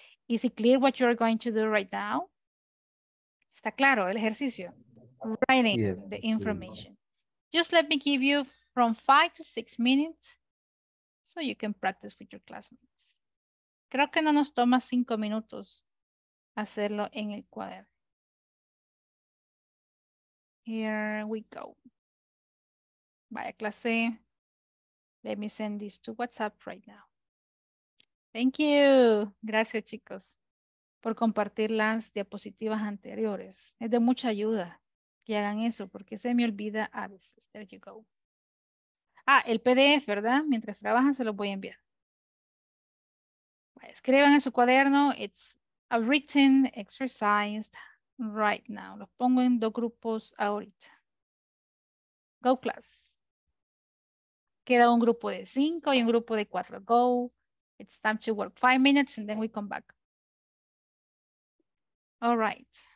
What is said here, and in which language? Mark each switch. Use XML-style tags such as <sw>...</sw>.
<en>Is it clear what you're going to do right now?</en> <es>¿Está claro el ejercicio?</es> <en>Writing yes, the information. Please. Just let me give you from 5 to 6 minutes so you can practice with your classmates.</en> <es>Creo que no nos toma 5 minutos hacerlo en el cuaderno.</es> <en>Here we go.</en> <es>Vaya clase.</es> <en>Let me send this to WhatsApp right now. Thank you.</en> <es>Gracias, chicos, por compartir las diapositivas anteriores. Es de mucha ayuda que hagan eso, porque se me olvida a veces.</es> <en>There you go.</en> <es>Ah, el PDF, ¿verdad? Mientras trabajan, se lo voy a enviar. Vaya, escriban en su cuaderno.</es> <en>It's a written exercise. Right now.</en> <es>Los pongo en 2 grupos ahorita.</es> <en>Go class.</en> <es>Queda un grupo de 5 y un grupo de 4.</es> <en>Go. It's time to work 5 minutes and then we come back. All right.</en>